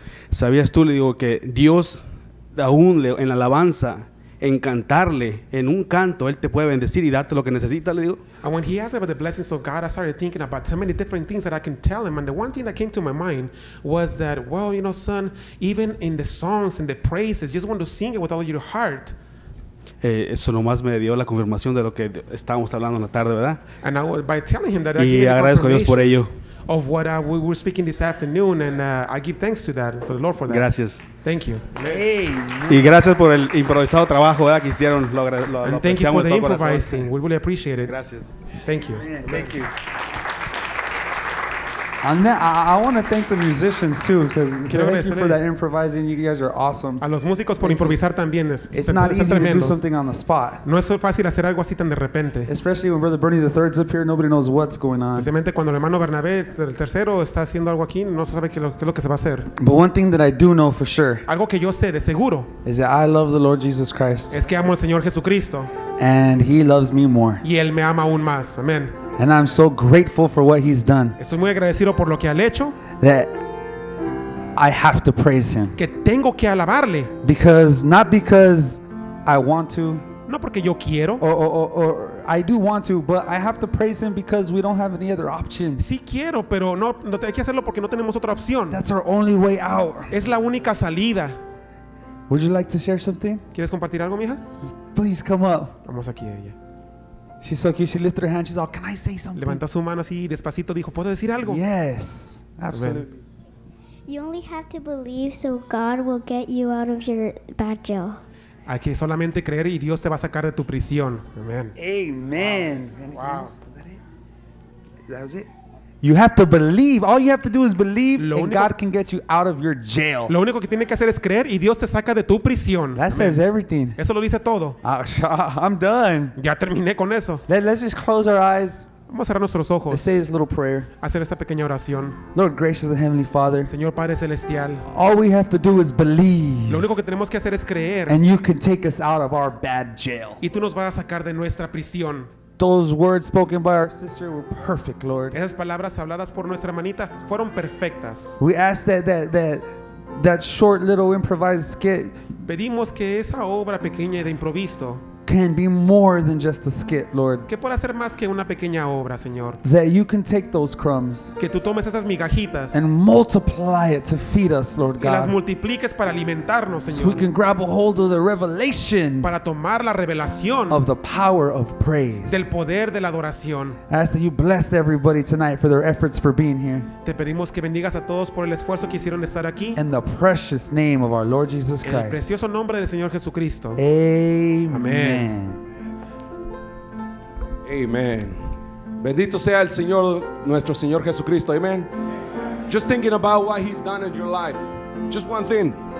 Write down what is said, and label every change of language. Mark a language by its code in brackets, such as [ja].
[es] ¿Sabías tú? Le digo, que Dios, aún en alabanza, en cantarle, en un canto, Él te puede bendecir y darte lo que necesita, le digo. [en] And when he asked me about the blessings of God, I started thinking about so many different things that I can tell him. And the one thing that came to my mind was that, well, you know, son, even in the songs and the praises, you just want to sing it with all your heart. [es] Eso nomás me dio la confirmación de lo que estábamos hablando en la tarde, ¿verdad? [en] And I, by telling him that, [es] y agradezco a Dios por ello. [en] Of what we were speaking this afternoon, and I give thanks to that, to the Lord for that. [es] Gracias. [en] Thank you. Amen. [es] Y gracias por el improvisado trabajo, ¿verdad? Que hicieron. Lo [en] and thank you for the improvising. We really appreciate it. [es] Gracias. [en] Thank you. Amen. Thank you. I want to thank the musicians too, because thank you for that improvising. You guys are awesome. [es] A los músicos por improvisar también. [en] It's not easy to do something on the spot. [es] No es fácil hacer algo así tan de repente. [en] Especially when Brother Bernie III is up here, nobody knows what's going on. [es] Especialmente cuando el hermano Bernabé el tercero está haciendo algo aquí, no se sabe qué es lo que se va a hacer. [en] But one thing that I do know for sure. [es] Algo que yo sé de seguro. [en] Is that I love the Lord Jesus Christ. [es] Es que amo al Señor Jesucristo. [en] And He loves me more. [es] Y él me ama aún más. Amen. [en] And I'm so grateful for what He's done. [es] Estoy muy agradecido por lo que ha hecho. [en] That I have to praise Him. [es] Que tengo que alabarle. [en] Because not because I want to. [es] No porque yo quiero. [en] Or I do want to, but I have to praise Him because we don't have any other option. [es] Sí quiero, pero no hay que hacerlo porque no tenemos otra opción. [en] That's our only way out. [es] Es la única salida. [en] Would you like to share something? [es] ¿Quieres compartir algo, mija? [en] Please come up. [es] Vamos aquí a ella. [en] She's so cute. She lifted her hand. She's all, "Can I say something?" [es] Levantó su mano así despacito. Dijo, "¿Puedo decir algo?" [en] Yes, absolutely. You only have to believe, so God will get you out of your bad jail. [es] Hay que solamente creer y Dios te va a sacar de tu prisión. [en] Amen. Amen. Wow. That's it. You have to believe. All you have to do is believe, lo and único, God can get you out of your jail. [es] Lo único que tiene que hacer es creer y Dios te saca de tu prisión. [en] That Amen. Says everything. [es] Eso lo dice todo. [en] I'm done. [es] Ya terminé con eso. [en] Let's just close our eyes. [es] Vamos a cerrar nuestros ojos. [en] Let's say this little prayer. [es] Hacer esta pequeña oración. [en] Lord gracious and heavenly Father. [es] Señor Padre celestial. [en] All we have to do is believe. [es] Lo único que tenemos que hacer es creer. [en] And you can take us out of our bad jail. [es] Y tú nos vas a sacar de nuestra prisión. [en] Those words spoken by our sister were perfect, Lord. [es] Esas palabras habladas por nuestra hermanita fueron perfectas. [en] We ask that short little improvised skit. [es] Pedimos que esa obra pequeña de improviso [en] can be more than just a skit, Lord. [es] Que pueda ser más que una pequeña obra, Señor. [en] That you can take those crumbs. [es] Que tú tomes esas migajitas. [en] And multiply it to feed us, Lord God. [es] Y las multipliques para alimentarnos, Señor. [en] So we can grab a hold of the revelation. [es] Para tomar la revelación. [en] Of the power of praise. [es] Del poder de la adoración. [en] I ask that you bless everybody tonight for their efforts for being here. [es] Te pedimos que bendigas a todos por el esfuerzo que hicieron de estar aquí. [en] In the precious name of our Lord Jesus Christ. [es] En el precioso nombre del Señor Jesucristo. Amén. Amén. Bendito sea el Señor, nuestro Señor Jesucristo. Amén. [en] Just thinking about what he's done in your life. Just one thing.